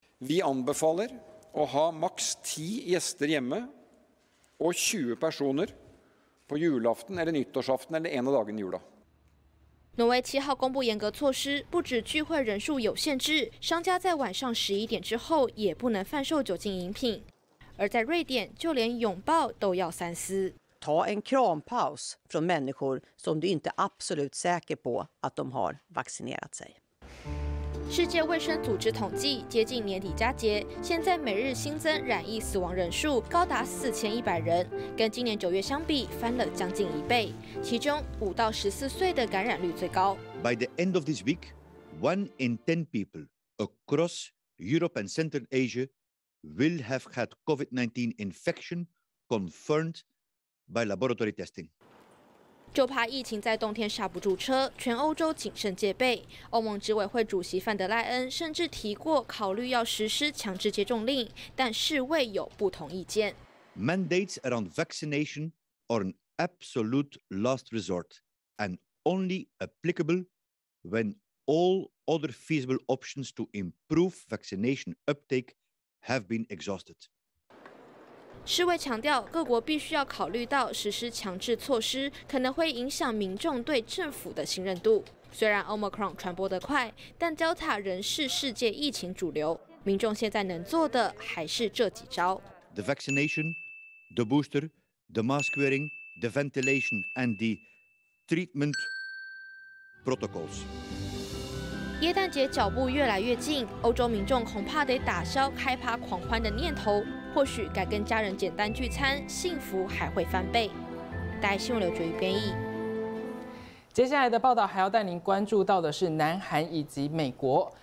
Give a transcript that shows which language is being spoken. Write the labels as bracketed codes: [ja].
[no] ：“Vi anbefaler å ha maks 10 gjester hjemme og 20 personer på julaften eller nyttårsaften eller en av dagene jula.” [zh] 挪威7号公布严格措施，不止聚会人数有限制，商家在晚上11点之后也不能贩售酒精饮品。而在瑞典，就连拥抱都要三思。 [sv] Ta en krampaus från människor som du inte absolut säker på att de har vaccinerat sig。 [zh] 世界卫生组织统计，接近年底佳节，现在每日新增染疫死亡人数高达4100人，跟今年9月相比翻了将近一倍。其中5到14岁的感染率最高。 [en] By the end of this week, 1 in 10 people across Europe and Central Asia. Will have had COVID-19 infection confirmed by laboratory testing. [zh] 就怕疫情在冬天刹不住车，全欧洲谨慎戒备。欧盟执委会主席范德赖恩甚至提过考虑要实施强制接种令，但世卫有不同意见。 [en] Mandates around vaccination are an absolute last resort and only applicable when all other feasible options to improve vaccination uptake. Have been exhausted. [zh] 世卫强调，各国必须要考虑到实施强制措施可能会影响民众对政府的信任度。虽然 Omicron 传播得快，但 Delta 仍是世界疫情主流。民众现在能做的还是这几招 [en] ：the vaccination, the booster, the mask wearing, the ventilation, and the treatment protocols. [zh] 耶诞节脚步越来越近，欧洲民众恐怕得打消开趴狂欢的念头，或许改跟家人简单聚餐，幸福还会翻倍。带新闻刘觉宇编译。接下来的报道还要带您关注到的是南韩以及美国。